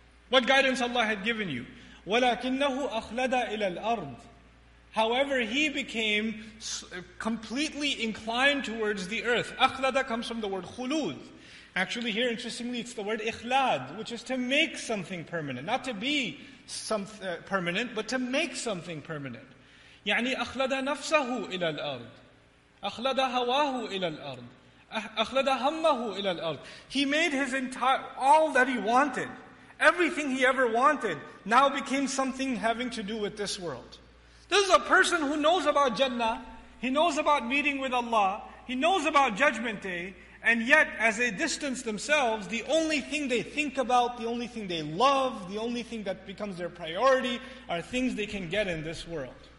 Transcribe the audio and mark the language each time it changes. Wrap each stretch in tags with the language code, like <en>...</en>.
<en>What guidance Allah had given you. وَلَكِنَّهُ أَخْلَدَ إِلَى الْأَرْضِ. However, he became completely inclined towards the earth. أَخْلَدَ comes from the word خُلُود. Actually here, interestingly, it's the word إِخْلَاد, which is to make something permanent, not to be permanent, but to make something permanent.</en> <ar>يعني أخلد نفسه إلى الأرض. أخلد هواه إلى الأرض. أخلد همه إلى الأرض.</ar> <en>He made his entire, all that he wanted, everything he ever wanted, now became something having to do with this world. This is a person who knows about Jannah, he knows about meeting with Allah, he knows about Judgment Day, and yet as they distance themselves, the only thing they think about, the only thing they love, the only thing that becomes their priority are things they can get in this world.</en>